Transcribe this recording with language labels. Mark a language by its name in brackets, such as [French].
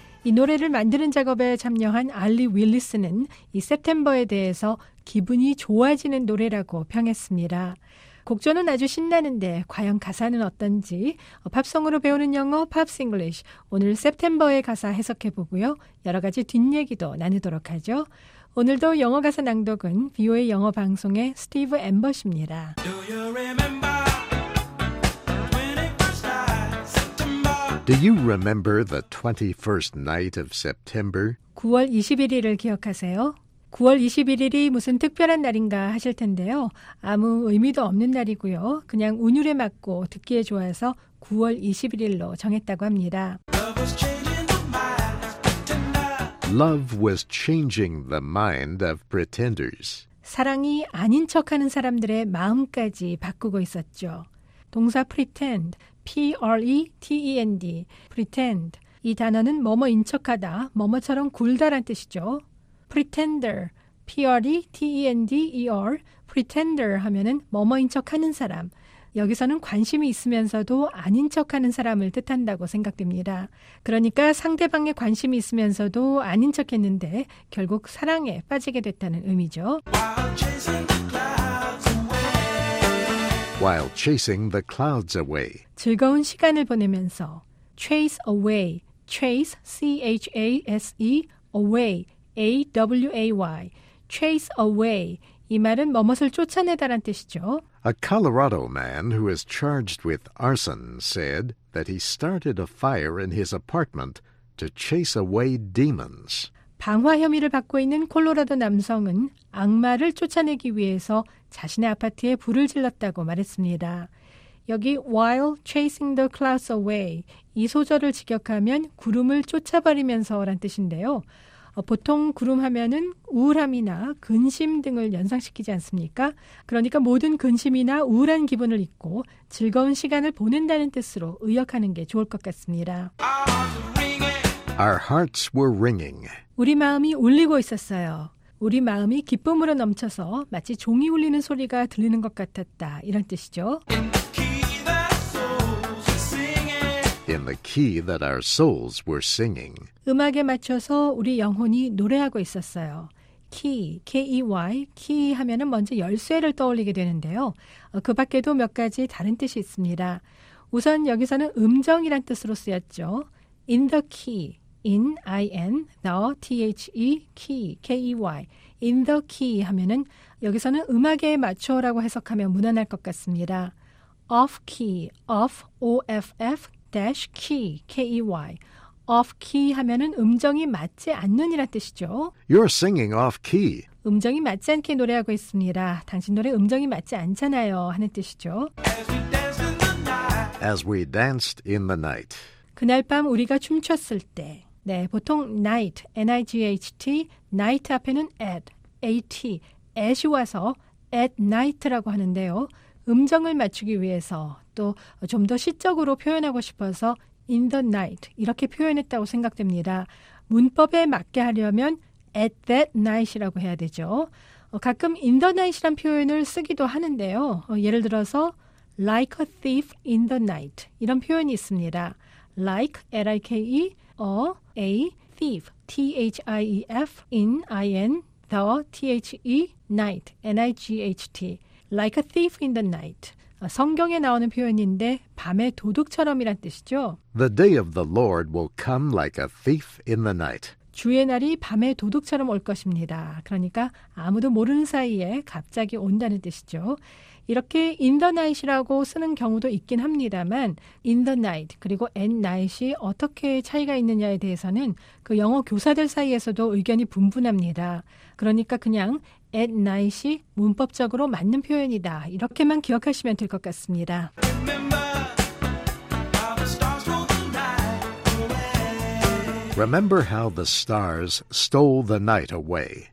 [Korean] 이 노래를 만드는 작업에 참여한 알리 윌리스는 이 September에 대해서 기분이 좋아지는 노래라고 평했습니다. 곡조는 아주 신나는데 과연 가사는 어떤지 팝송으로 배우는 영어 팝스 잉글리쉬 오늘 September의 가사 해석해보고요. 여러 가지 뒷얘기도 나누도록 하죠. 오늘도 영어 가사 낭독은 VOA 영어 방송의 스티브 앰버십니다. [English] Do you remember when it was like September? Do you remember the 21st night of September? [Korean] 9월 21일을 기억하세요. 9월 21일이 무슨 특별한 날인가 하실 텐데요. 아무 의미도 없는 날이고요. 그냥 운율에 맞고 듣기에 좋아서 9월 21일로 정했다고 합니다. [English] Love was changing the mind of pretenders. [Korean] 사랑이 아닌 척하는 사람들의 마음까지 바꾸고 있었죠. [English] 동사 pretend, P-R-E-T-E-N-D, pretend. [Korean] 이 단어는 뭐뭐인 척하다, 뭐뭐처럼 굴다란 뜻이죠. Pretender, pretender, pretender 하면은 뭐뭐인 척하는 사람. 여기서는 관심이 있으면서도 아닌 척하는 사람을 뜻한다고 생각됩니다. 그러니까 상대방의 관심이 있으면서도 아닌 척했는데 결국 사랑에 빠지게 됐다는 의미죠. [English] While chasing the clouds away. [Korean] 즐거운 시간을 보내면서 [English] chase away, chase, C-H-A-S-E, away, A-W-A-Y, chase away. [Korean] 이 말은 뭐뭇을 쫓아내다란 뜻이죠. [English] A Colorado man who is charged with arson said that he started a fire in his apartment to chase away demons. [Korean] 방화 혐의를 받고 있는 콜로라도 남성은 악마를 쫓아내기 위해서 자신의 아파트에 불을 질렀다고 말했습니다. 여기 [English] while chasing the clouds away, [Korean] 이 소절을 직역하면 구름을 쫓아버리면서란 뜻인데요. 보통 구름 하면은 우울함이나 근심 등을 연상시키지 않습니까? 그러니까 모든 근심이나 우울한 기분을 잊고 즐거운 시간을 보낸다는 뜻으로 의역하는 게 좋을 것 같습니다. [English] Our hearts were ringing. [Korean] 우리 마음이 울리고 있었어요. 우리 마음이 기쁨으로 넘쳐서 마치 종이 울리는 소리가 들리는 것 같았다. 이런 뜻이죠. [English] In the key that our souls were singing. [Korean] 음악에 맞춰서 우리 영혼이 노래하고 있었어요. Key, K-E-Y, key 하면은 먼저 열쇠를 떠올리게 되는데요. 그 밖에도 몇 가지 다른 뜻이 있습니다. 우선 여기서는 음정이란 뜻으로 쓰였죠. [English] In the key, in, I-N, the, T-H-E, key, K-E-Y. [Korean] In the key 하면은 여기서는 음악에 맞춰라고 해석하면 무난할 것 같습니다. [English] Off key, off, O-F-F, dash key, K-E-Y. [Korean] Off key 하면은 음정이 맞지 않는이란 뜻이죠. [English] You're singing off key. [Korean] 음정이 맞지 않게 노래하고 있습니다. 당신 노래 음정이 맞지 않잖아요 하는 뜻이죠. [English] As we danced in the night. As we danced in the night. [Korean] 그날 밤 우리가 춤췄을 때. 네, 보통 night, N-I-G-H-T, night 앞에는 at, A-T, at이 와서 at night라고 하는데요. 음정을 맞추기 위해서 또 좀 더 시적으로 표현하고 싶어서 [English] in the night [Korean] 이렇게 표현했다고 생각됩니다. 문법에 맞게 하려면 [English] at that night [Korean] 이라고 해야 되죠. 가끔 [English] in the night [Korean] 이란 표현을 쓰기도 하는데요. 예를 들어서 [English] like a thief in the night [Korean] 이런 표현이 있습니다. [English] Like, L-I-K-E, a, a, thief, T-H-I-E-F, in, I-N, the, T-H-E, night, N-I-G-H-T. Like a thief in the night. [Korean] 성경에 나오는 표현인데 밤에 도둑처럼이란 뜻이죠. [English] The day of the Lord will come like a thief in the night. [Korean] 주의 날이 밤에 도둑처럼 올 것입니다. 그러니까 아무도 모르는 사이에 갑자기 온다는 뜻이죠. 이렇게 [English] in the night [Korean] 이라고 쓰는 경우도 있긴 합니다만 in the night 그리고 at night이 어떻게 차이가 있느냐에 대해서는 그 영어 교사들 사이에서도 의견이 분분합니다. 그러니까 그냥 at night이 문법적으로 맞는 표현이다. 이렇게만 기억하시면 될 것 같습니다. [English] Remember how the stars stole the night away.